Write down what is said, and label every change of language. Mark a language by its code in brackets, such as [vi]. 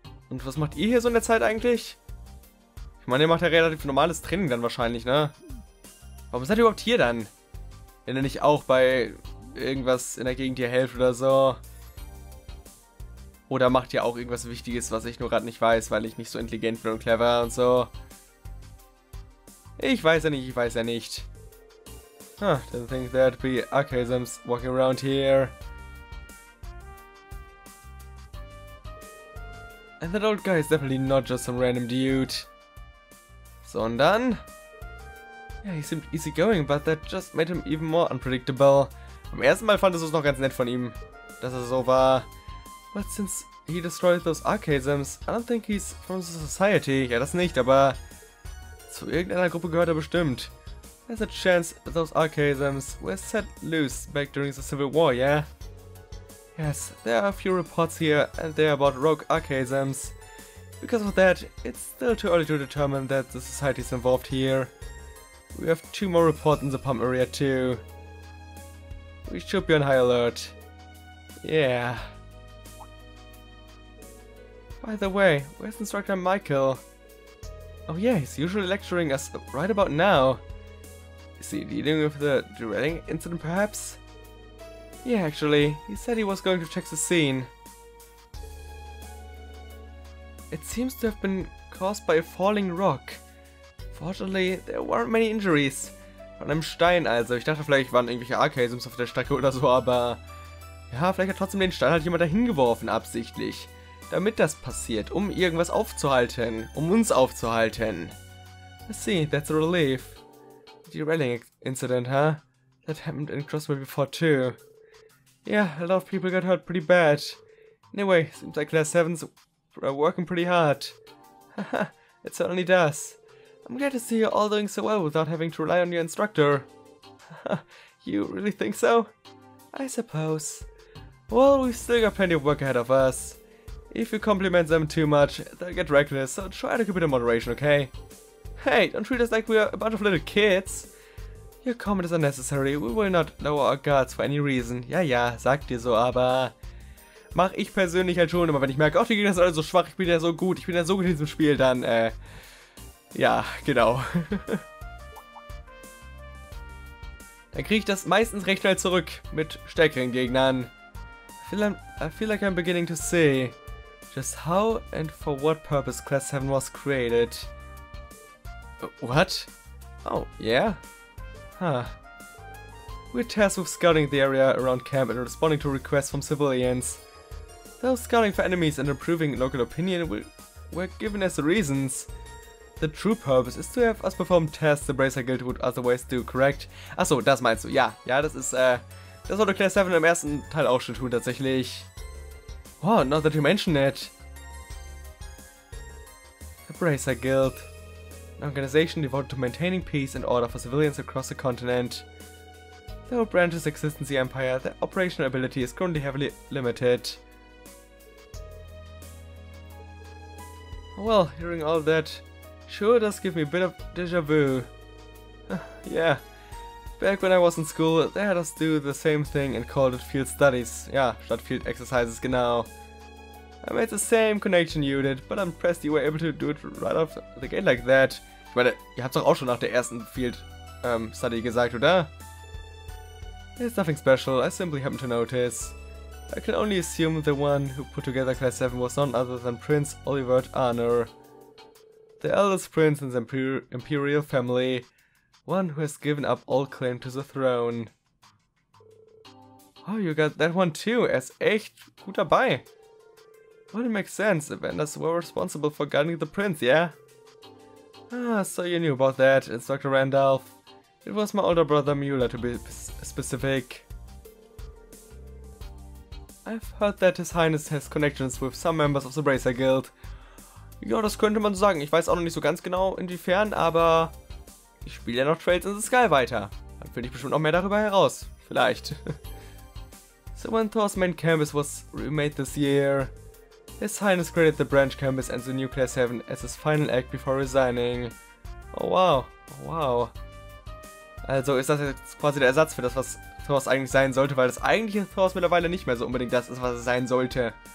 [de] Und was macht ihr hier so in der Zeit eigentlich? Ich meine, ihr macht ja relativ normales Training dann wahrscheinlich, ne? Warum seid ihr überhaupt hier dann? Wenn ihr nicht auch bei irgendwas in der Gegend hier helft oder so? Oder macht ihr auch irgendwas Wichtiges, was ich nur gerade nicht weiß, weil ich nicht so intelligent bin und clever und so? Ich weiß ja nicht. [en] Huh, didn't think there'd be archaisms walking around here. And that old guy is definitely not just some random dude. [de] Sondern? [en] Yeah, he seemed easygoing, but that just made him even more unpredictable. [de] Am ersten Mal fand ich es noch ganz nett von ihm, dass er so war. [en] But since he destroyed those archaisms, I don't think he's from the society. [de] Ja, das nicht, aber zu irgendeiner Gruppe gehört er bestimmt. [en] There's a chance those archaisms were set loose back during the Civil War, yeah? Yes, there are a few reports here and there about rogue archaisms. Because of that, it's still too early to determine that the society is involved here. We have two more reports in the pump area too. We should be on high alert. Yeah. By the way, where's Instructor Michael? Oh yeah, he's usually lecturing us right about now. Is he dealing with the Dwelling incident perhaps? Yeah, actually, he said he was going to check the scene. It seems to have been caused by a falling rock. Fortunately, there weren't many injuries. [de] Von einem Stein also. Ich dachte, vielleicht waren irgendwelche Archaisms auf der Strecke oder so, aber... Ja, vielleicht hat trotzdem den Stein halt jemand dahin geworfen, absichtlich. Damit das passiert, um irgendwas aufzuhalten. Um uns aufzuhalten. [en] I see, that's a relief. The derailing incident, huh? That happened in Crossway before too. Yeah, a lot of people got hurt pretty bad. Anyway, seems like Class 7's working pretty hard. Haha, it certainly does. I'm glad to see you all doing so well without having to rely on your instructor. Haha, you really think so? I suppose. Well, we've still got plenty of work ahead of us. If you compliment them too much, they'll get reckless, so try to keep it in moderation, okay? Hey, don't treat us like we're a bunch of little kids! Your comment is unnecessary, we will not lower our guards for any reason. [de] Ja, ja, sag dir so, aber... Mach ich persönlich halt schon immer, wenn ich merke, oh, die Gegner sind alle so schwach, ich bin ja so gut in diesem Spiel, dann, ja, genau. Dann kriege ich das meistens recht schnell zurück, mit stärkeren Gegnern. [en] I feel like I'm beginning to see, just how and for what purpose Class 7 was created. What? Oh, yeah? Huh. We're tasked with scouting the area around camp and responding to requests from civilians. Those scouting for enemies and improving local opinion were given as the reasons. The true purpose is to have us perform tests the Bracer Guild would otherwise do, correct? [de] Achso, das meinst du. Ja, ja, das ist, das sollte Class 7 im ersten Teil auch schon tun, tatsächlich. [en] Wow, not that you mention it. The Bracer Guild. An organization devoted to maintaining peace and order for civilians across the continent. Though branches exist in the Empire, their operational ability is currently heavily limited. Well, hearing all that sure does give me a bit of deja vu. Yeah, back when I was in school, they had us do the same thing and called it field studies. Yeah, [de] statt field exercises, genau. [en] I made the same connection you did, but I'm impressed you were able to do it right off the gate like that. [de] Ich meine, ihr habt's doch auch schon nach der ersten Field-Study gesagt, oder? [en] It's nothing special, I simply happen to notice. I can only assume the one who put together Class 7 was none other than Prince Oliver Arnor. The eldest prince in the Imperial family. One who has given up all claim to the throne. Oh, you got that one too, [de] er ist echt gut dabei. [en] Well, it makes sense, the vendors were responsible for guiding the prince, yeah? Ah, so you knew about that, Instructor Randolph. It was my older brother Mueller, to be specific. I've heard that His Highness has connections with some members of the Bracer Guild. [de] Ja, das könnte man so sagen. Ich weiß auch noch nicht so ganz genau, inwiefern, aber... Ich spiele ja noch Trails in the Sky weiter. Dann finde ich bestimmt noch mehr darüber heraus. Vielleicht. [en] So when Thor's main campus was remade this year... His Highness created the branch campus and the new Class 7 as his final act before resigning. Oh wow, oh wow. [de] Also ist das jetzt quasi der Ersatz für das, was Thors eigentlich sein sollte, weil das eigentliche Thors mittlerweile nicht mehr so unbedingt das ist, was es sein sollte.